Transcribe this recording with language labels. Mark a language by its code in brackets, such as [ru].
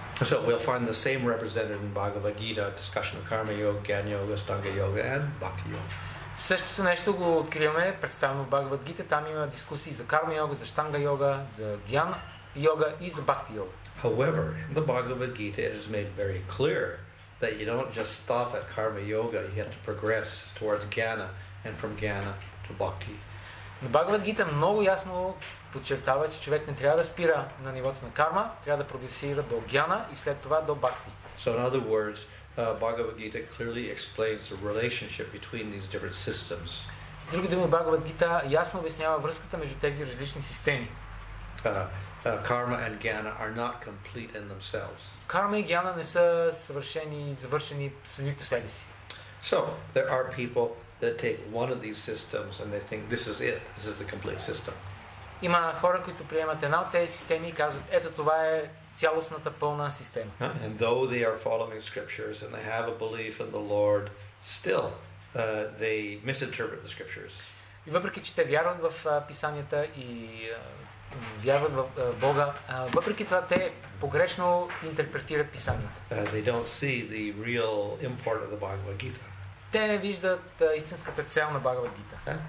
[en] So we'll find the same represented in Bhagavad Gita, discussion of Karma Yoga, Gyan Yoga, Astanga Yoga, and Bhakti Yoga. [bg] Същото нещо го откриваме представено в Bhagavad Gita. Там има дискусии за Карма Йога, за Штанга Йога, за Гиан Йога и за Бхакти Йога. [en] However, in the Bhagavad Gita, it is made very clear that you don't just stop at Karma Yoga. You have to progress towards Gyana, and from Gyana to Bhakti. [bg] Но Bhagavad Gita много ясно подчертава, че човек не трябва да спира на нивото на карма, трябва да прогресира до гяна и след това до бхакти. [en] So in other words, Bhagavad Gita clearly explains the relationship between these different systems. [bg] Други думи, Bhagavad Gita ясно обяснява връзката между тези различни системи. [en] Karma and gyana are not complete in themselves. [bg] Карма и гяна не са съвършени, завършени сами по себе си. [en] So there are people that take one of these systems and they think this is it, this is the complete system. [bg] Има хора, които приемат една от тези системи и казват, ето това е цялостната пълна система. [en] And though they are following scriptures and they have a belief in the Lord, still they misinterpret the scriptures. [bg] И въпреки че те вярват в писанията и вярват в Бога, въпреки това те погрешно интерпретират писанията. [en] They don't see the real import of the Bhagavad Gita. [bg] Те не виждат истинската цел на Bhagavad Gita.